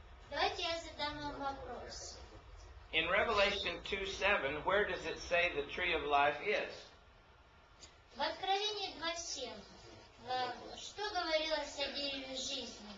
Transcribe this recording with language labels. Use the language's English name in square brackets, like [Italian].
[Russian] Давайте я задам вам вопрос. [English] In Revelation 2:7, where does it say the tree of life is? [Russian] В Откровении 2:7. Что говорилось о дереве жизни?